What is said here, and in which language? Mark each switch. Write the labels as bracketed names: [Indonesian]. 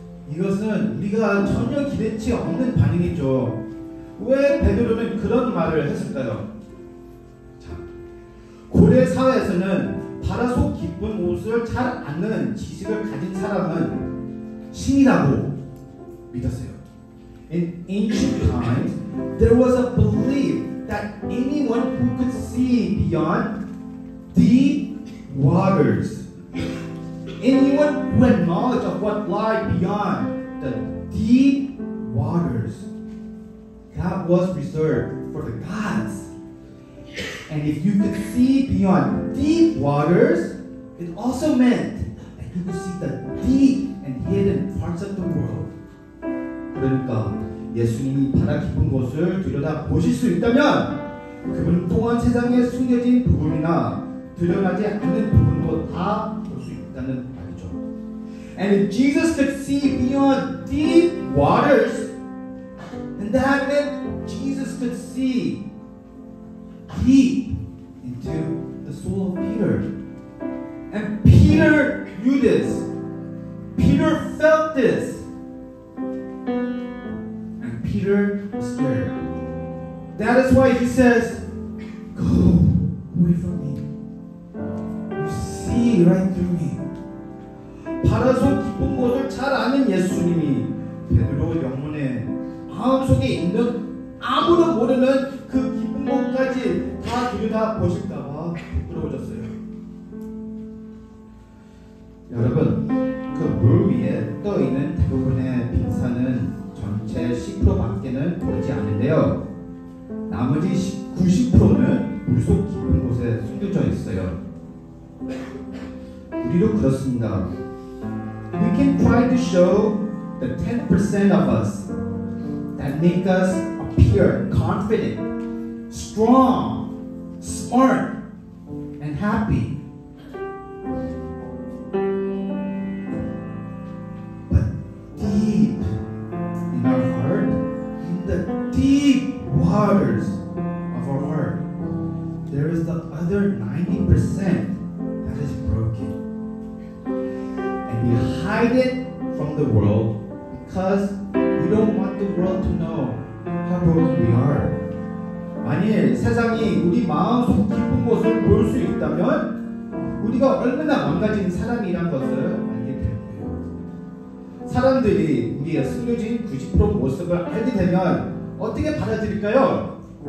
[Korean] 이것은 우리가 전혀 기대치 없는 반응이죠. 왜 베드로는 그런 말을 했을까요? 자, 고대 사회에서는 바다 속 깊은 곳을 잘 아는 지식을 가진 사람은 신이라고 믿었어요. [English] In ancient times, there was a belief that anyone who could see beyond deep waters, anyone who had knowledge of what lied beyond the deep waters, that was reserved for the gods. And if you could see beyond deep waters, it also meant that you could see the deep and hidden parts of the world. [Korean] 그러니까 예수님이 바다 깊은 곳을 들여다 보실 수 있다면 그분 또한 세상에 숨겨진 부분이나 드러나지 않는 부분도 다 볼 수 있다는 말이죠. [English] And if Jesus could see beyond deep waters, then that meant Jesus could see deep into the soul of Peter. And Peter knew this. Peter felt this. And Peter was scared. That is why he says, go away from me. You see right through me. [Korean] 바다 속 깊은 곳을 잘 아는 예수님이 베드로 영혼의 마음 속에 있는 아무도 모르는 그 깊은 곳까지 다 들여다 보실까봐 부끄러워졌어요. 여러분, 그 물 위에 떠 있는 대부분의 빙산은 전체 10%밖에는 보이지 않는데요. 나머지 90%는 물 속 깊은 곳에 숨겨져 있어요. 우리도 그렇습니다. [English] We can try to show the 10% of us that make us appear confident, strong, smart, and happy. But deep in our heart, in the deep waters of our heart, there is the other 90% that is broken. And we hide it from the world because we don't want the world to know how broken we are. [Korean] 만일 세상이 우리 마음 속 깊은 곳을 볼 수 있다면 우리가 얼마나 망가진 사람이란 것을 알게 될 거예요. 사람들이 우리의 숨겨진 90% 모습을 알게 되면 어떻게 받아들일까요?